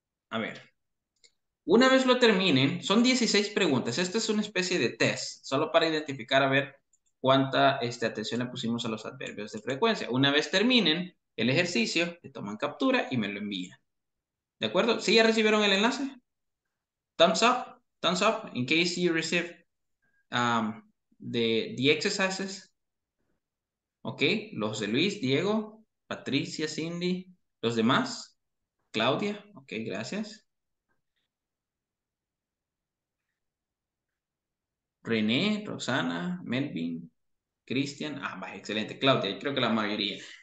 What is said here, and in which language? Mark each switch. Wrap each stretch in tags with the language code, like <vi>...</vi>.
<es>A ver, una vez lo terminen, son 16 preguntas. Esto es una especie de test, solo para identificar a ver cuánta atención le pusimos a los adverbios de frecuencia. Una vez terminen el ejercicio, le toman captura y me lo envían. ¿De acuerdo? ¿Sí ya recibieron el enlace?</es> <en>Thumbs up, thumbs up, in case you receive the exercises.</en> <es>Ok, los de Luis, Diego, Patricia, Cindy, los demás, Claudia, ok, gracias. René, Rosana, Melvin, Cristian, ah, va, excelente, Claudia, creo que la mayoría.</es>